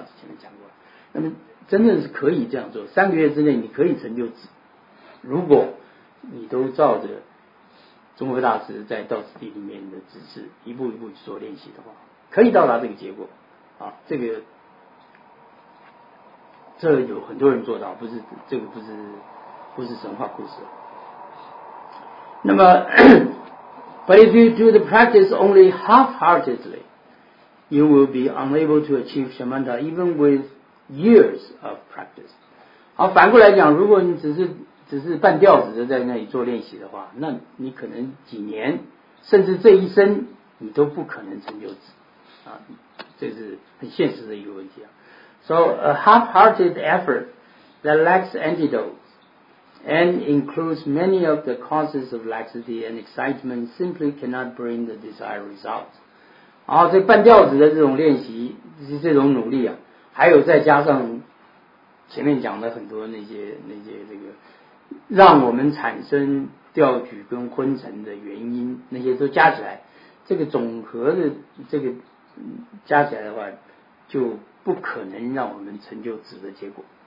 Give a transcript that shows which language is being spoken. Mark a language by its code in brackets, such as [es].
[zh] 之前面讲过，那么真的是可以这样做，3个月之内你可以成就止。如果你都照着中辉大师在道次第里面的指示，一步一步去做练习的话，可以到达这个结果。啊，这个这有很多人做到，不是这个不是神话故事。那么， [en] but if you do the practice only half-heartedly, you will be unable to achieve shamatha even with years of practice. [zh] 好，反过来讲，如果你只是半吊子的在那里做练习的话，那你可能几年甚至这一生你都不可能成就此啊，这是很现实的一个问题啊。 [en] So a half-hearted effort that lacks antidotes and includes many of the causes of laxity and excitement simply cannot bring the desired results. [zh] 啊，这半吊子的这种练习，这种努力啊，还有再加上前面讲的很多那些这个让我们产生吊举跟昏沉的原因，那些都加起来，这个总和的这个加起来的话，就不可能让我们成就止的结果。